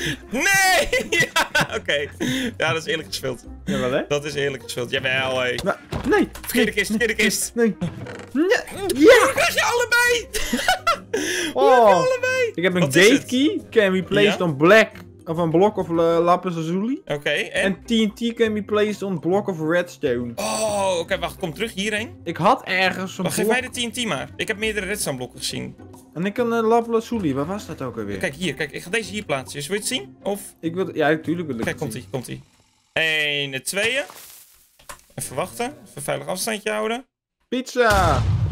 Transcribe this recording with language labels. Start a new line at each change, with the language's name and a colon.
Dutch: Nee! Oké. Ja, dat is eerlijk gespeeld. Jawel, hè? Dat is eerlijk gespeeld. Jawel, hé. Nee! Verkeerde kist. Nee. Ja! Hoe krijg je allebei? Hoe krijg je allebei? Ik heb een gate key.
English: Can be placed on black.
Dutch: Of een blok of lapis lazuli. Oké, en
English: TNT can be placed on block of redstone.
Dutch: Oké, wacht. Kom terug hierheen. Ik had ergens een Geef mij de TNT maar. Ik heb meerdere redstone blokken gezien. En ik kan een lapis lazuli. Waar was dat ook alweer? Kijk, ik ga deze hier plaatsen. Dus wil je het zien? Of... Ja, natuurlijk wil ik kijk, komt-ie, komt-ie. 1, 2. Even wachten. Even veilig afstandje houden. Pizza!